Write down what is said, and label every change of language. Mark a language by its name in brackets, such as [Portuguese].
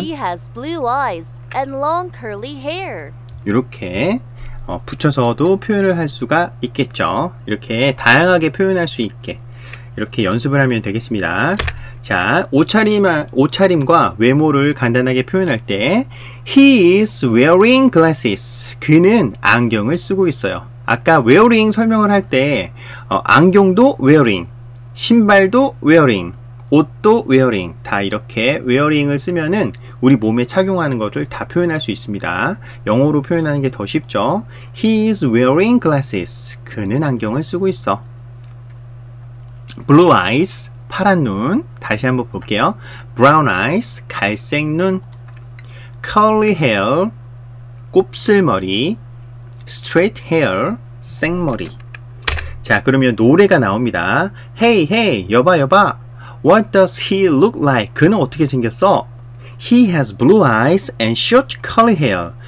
[English] She has blue eyes and long curly hair. [Korean] 이렇게 붙여서도 표현을 할 수가 있겠죠. 이렇게 다양하게 표현할 수 있게 이렇게 연습을 하면 되겠습니다. 자, 옷차림과 외모를 간단하게 표현할 때 [English] He is wearing glasses. [Korean] 그는 안경을 쓰고 있어요. 아까 wearing 설명을 할 때 안경도 wearing, 신발도 wearing, 옷도 wearing 다 이렇게 wearing을 쓰면은 우리 몸에 착용하는 것을 다 표현할 수 있습니다. 영어로 표현하는 게 더 쉽죠. [English] He is wearing glasses. [Korean] 그는 안경을 쓰고 있어. [English] Blue eyes, [Korean] 파란 눈. 다시 한번 볼게요. [English] Brown eyes, [Korean] 갈색 눈. [English] Curly hair, [Korean] 곱슬머리. [English] Straight hair, [Korean] 생머리. 자, 그러면 노래가 나옵니다. [English] Hey, hey, [Korean] 여봐, 여봐. [English] What does he look like? [Korean] 그는 어떻게 생겼어? [English] He has blue eyes and short curly hair.